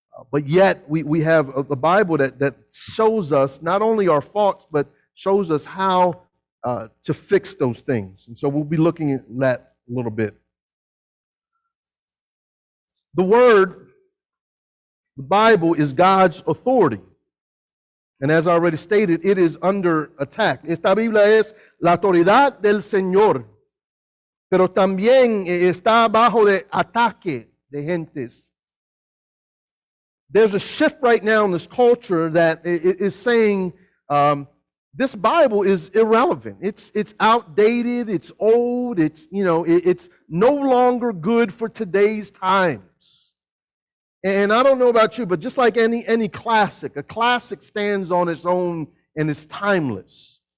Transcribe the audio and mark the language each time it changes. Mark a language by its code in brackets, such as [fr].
[en] But yet, we have the Bible that shows us not only our faults, but shows us how to fix those things. And so we'll be looking at that a little bit. The Word, the Bible, is God's authority. And as I already stated, it is under attack. [es] Esta Biblia es la autoridad del Señor, pero también está bajo de ataque de gentes. [en] There's a shift right now in this culture that is saying, this Bible is irrelevant. It's outdated. It's old. It's, you know, it's no longer good for today's times. And I don't know about you, but just like any classic, a classic stands on its own and is timeless.